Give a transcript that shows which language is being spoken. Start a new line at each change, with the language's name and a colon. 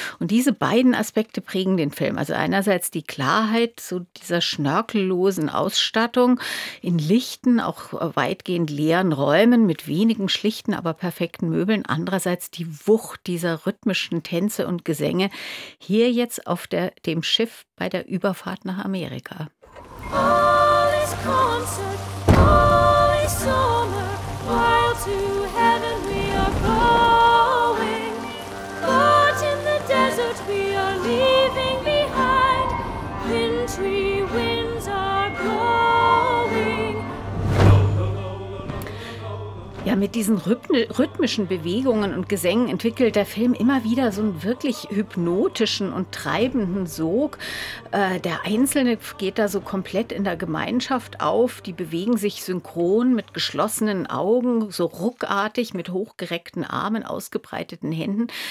German: Und diese beiden Aspekte prägen den Film. Also einerseits die Klarheit zu dieser schnörkellosen Ausstattung in lichten, auch weitgehend leeren Räumen mit wenigen schlichten, aber perfekten Möbeln. Andererseits die Wucht dieser rhythmischen Tänze und Gesänge hier jetzt auf dem Schiff bei der Überfahrt nach Amerika.
English: All is concert, all is summer, while to heaven we are going. But in the desert we are leaving behind, wintry winds are blowing.
German: Ja, mit diesen rhythmischen Bewegungen und Gesängen entwickelt der Film immer wieder so einen wirklich hypnotischen und treibenden Sog. Der Einzelne geht da so komplett in der Gemeinschaft auf. Die bewegen sich synchron mit geschlossenen Augen, so ruckartig mit hochgereckten Armen, ausgebreiteten Händen.